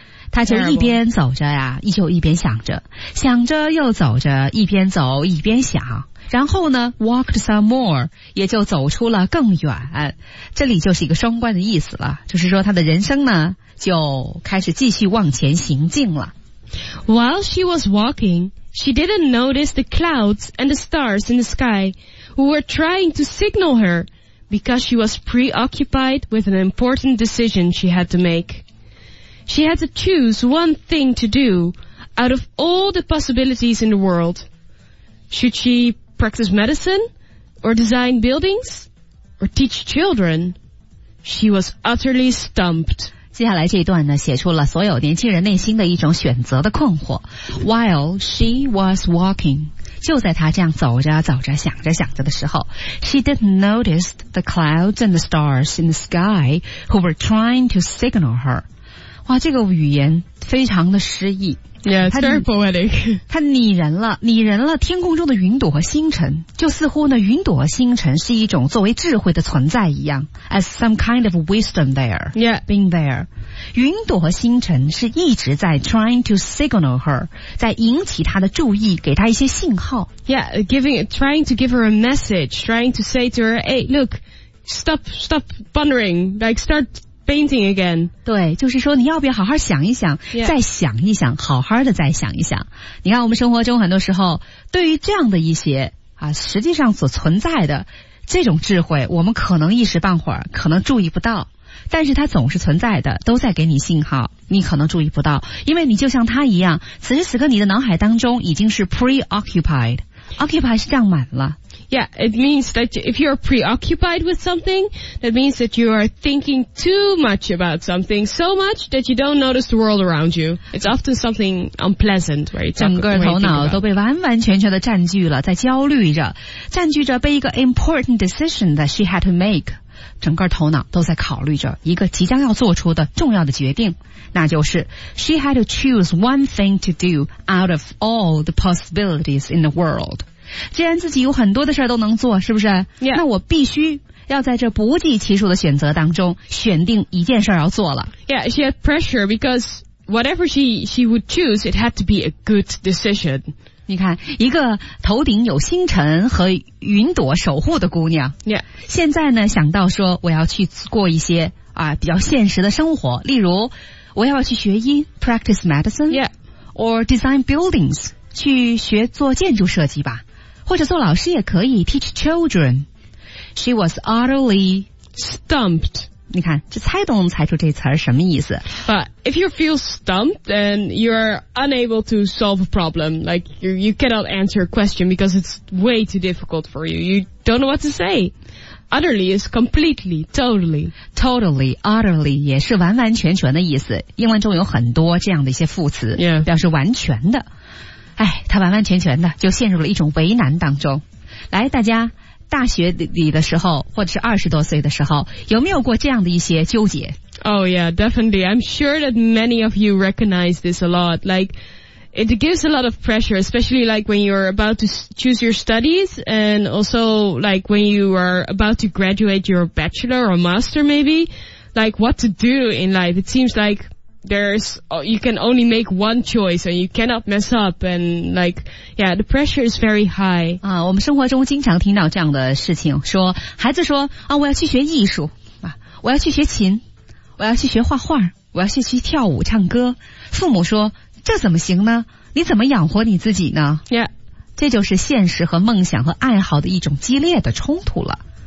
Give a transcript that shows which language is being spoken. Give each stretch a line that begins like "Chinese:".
Chinese: 她就一边走着呀，就一边想着，想着又走着，一边走一边想。然后呢 ,
English: walked some more,
Chinese: 也就走出了更远。这里就是一个双关的意思了，就是说她的人生呢，就开始继续往前行进了。
English: While she was walking, she didn't notice the clouds and the stars in the sky who were trying to signal her. Because she was preoccupied with an important decision she had to make. She had to choose one thing to do out of all the possibilities in the world. Should she practice medicine or design buildings or teach children? She was utterly stumped.
Chinese: 接下来这一段呢，写出了所有年轻人内心的一种选择的困惑。
English: While she was walking,
Chinese: 就在她这样走着走着想着想着的时候，
English: she didn't notice the clouds and the stars in the sky who were trying to signal her.
Chinese: 哇，这个语言非常的诗意。
English: Yeah, it's very poetic.
Chinese: 它拟人了，拟人了天空中的云朵和星辰，就似乎呢，云朵和星辰是一种作为智慧的存在一样，
English: as some kind of wisdom there. Yeah, being there.
Chinese: 云朵和星辰是一直在
English: trying to signal her,
Chinese: 在引起她的注意，给她一些信号。
English: Yeah, trying to give her a message, trying to say to her, hey, look, stop pondering, like start. Painting again.
Chinese: 对，就是说你要不要好好想一想、
English: yeah.
Chinese: 再想一想，好好的再想一想。你看我们生活中很多时候对于这样的一些啊，实际上所存在的这种智慧，我们可能一时半会儿可能注意不到，但是它总是存在的，都在给你信号，你可能注意不到，因为你就像他一样，此时此刻你的脑海当中已经是 preoccupied。 Occupy 是占满了。
English: Yeah, it means that if you are preoccupied with something, that means that you are thinking too much about something, so much that you don't notice the world around you. It's often something unpleasant, right?
Chinese: 整个头脑都被完完全全的占据了，在焦虑着，占据着被一个
English: important decision that she had to make.
Chinese: 整个头脑都在考虑着一个即将要做出的重要的决定，那就是
English: she had to choose one thing to do out of all the possibilities in the world.
Chinese: 既然自己有很多的事都能做，是不是、
English: yeah.
Chinese: 那我必须要在这不计其数的选择当中选定一件事要做了。
English: Yeah, she had pressure because whatever she would choose, it had to be a good decision.
Chinese: 你看一个头顶有星辰和云朵守护的姑娘、
English: yeah.
Chinese: 现在呢想到说我要去过一些啊比较现实的生活，例如我要去学医
English: practice medicine, yeah, or design buildings,
Chinese: 去学做建筑设计吧，或者做老师也可以
English: teach children. She was utterly stumped.
Chinese: 你看这猜都能猜出这词儿什么意思。
English: But if you feel stumped, then you're unable to solve a problem, like you cannot answer a question because it's way too difficult for you. You don't know what to say. Utterly is completely, totally.
Chinese: Totally, utterly 也是完完全全的意思。英文中有很多这样的一些副词、
English: yeah.
Chinese: 表示完全的。哎，他完完全全的就陷入了一种为难当中。来，大家大学里的时候或者是二十多岁的时候有没有过这样的一些纠结？
English: Oh yeah, definitely. I'm sure that many of you recognize this a lot. Like, it gives a lot of pressure, especially like when you're about to choose your studies and also like when you are about to graduate your bachelor or master maybe, like what to do in life. It seems like you can only make one choice and you cannot mess up and like, yeah, the pressure is very high.
Chinese: 啊，我们生活中经常听到这样的事情，说孩子说啊，我要去学艺术。我要去学琴，我要去学画画，我要去学跳舞唱歌。父母说，这怎么行呢？你怎么养活你自己呢？
English: Yeah.
Chinese: 这就是现实和梦想和爱好的一种激烈的冲突了。